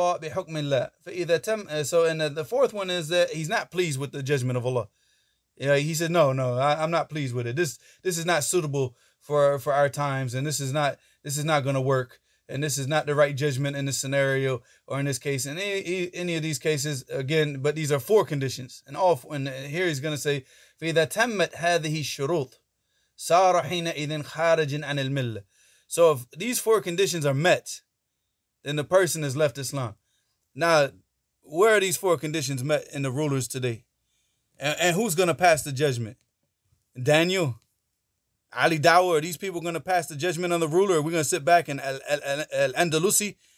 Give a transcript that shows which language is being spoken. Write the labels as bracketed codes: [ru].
[en] So the fourth one is that he's not pleased with the judgment of Allah. Yeah, he said, no, I'm not pleased with it. This is not suitable for our times, and this is not going to work, and this is not the right judgment in this scenario or in this case, in any of these cases. Again, but these are four conditions, and all. And here he's going to say, [ar] فَإِذَا تَمَّتْ هَذِهِ الشُّرُوطُ سَارَ حِينَ إِذٍ خَارِجٍ عَنِ الْمِلَّةِ. [en] So if these four conditions are met, then the person has left Islam. Now, where are these four conditions met in the rulers today? And who's going to pass the judgment? Daniel? Ali Dawah? Are these people going to pass the judgment on the ruler? Are we going to sit back in Al-Andalusi?